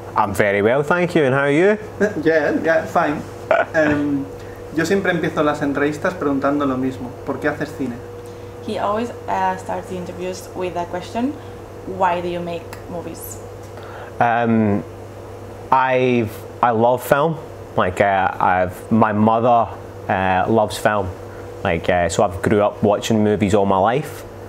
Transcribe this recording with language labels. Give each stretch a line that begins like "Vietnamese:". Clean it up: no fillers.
English: I'm very well, thank you. And how are you? Yeah, fine.
Spanish: Yo siempre empiezo las entrevistas preguntando lo mismo. ¿Por qué haces cine?
English: He always starts the interviews with a question. Why do you make movies? I love film. My mother loves film. So I've grew up watching movies all my life.